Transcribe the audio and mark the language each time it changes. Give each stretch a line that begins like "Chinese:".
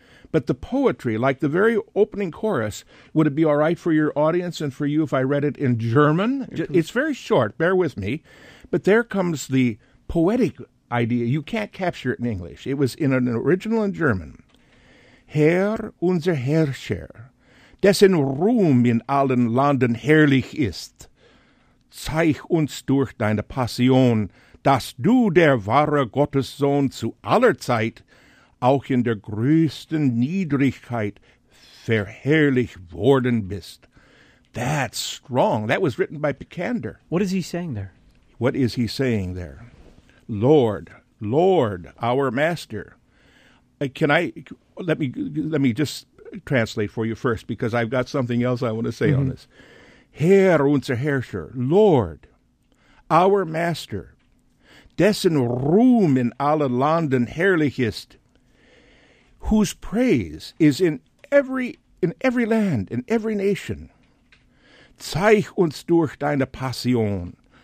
English: But the poetry, like the very opening chorus, would it be all right for your audience and for you if I read it in German? It's very short, bear with me. But there comes the poetic idea. You can't capture it in English. It was in an original in German.
German: Herr, unser Herrscher, dessen Ruhm in allen Landen herrlich ist, zeig uns durch deine Passion, dass du der wahre Gottessohn zu aller Zeit auch in der größten Niedrigkeit verherrlich worden bist.
English: That's strong. That was written by Picander. What is he saying there? What is he saying there? Lord, Lord, our Master. Let me just translate for you first, because I've got something else I want to say on this.
German: Herr, unser Herrscher,
English: Lord, our Master,
German: dessen Ruhm in alle Landen herrlich ist,
English: whose praise is in every in every land, in every nation.
German: Zeig uns durch deine Passion.